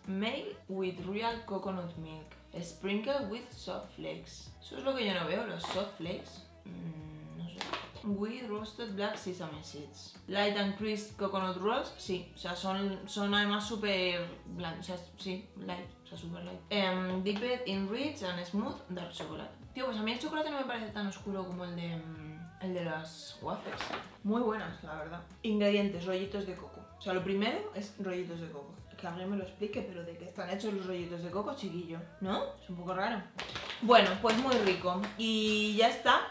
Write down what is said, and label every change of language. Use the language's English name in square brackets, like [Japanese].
[English] Made with real coconut milk. Sprinkled with soft flakes. [Spanish] Eso es lo que yo no veo, los soft flakes. No sé. [English] With roasted black sesame seeds. Light and crisp coconut rolls. [Spanish] Sí, o sea, son además súper blandos. O sea, sí, light. O sea, súper light. [English] Dipped in rich and smooth dark chocolate. [Spanish] Tío, pues a mí el chocolate no me parece tan oscuro como el de... El de las waffles. Muy buenas, la verdad. Ingredientes, rollitos de coco. O sea, lo primero es rollitos de coco. Que alguien me lo explique, pero de qué están hechos los rollitos de coco, chiquillo. ¿No? Es un poco raro. Bueno, pues muy rico. Y ya está.